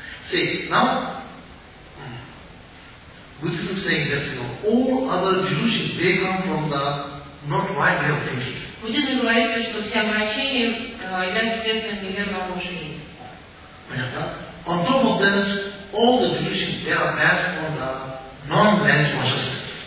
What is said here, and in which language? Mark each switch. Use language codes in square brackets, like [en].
[en] See, now, Buddhism saying that, you know, all other delusions, they come from the not right way of thinking. [ru] Буддизм говорит, что все обращения являются следствием неверного мышления. Понятно? [en] On top of that, all the delusions, they are based on the non-managed consciousness.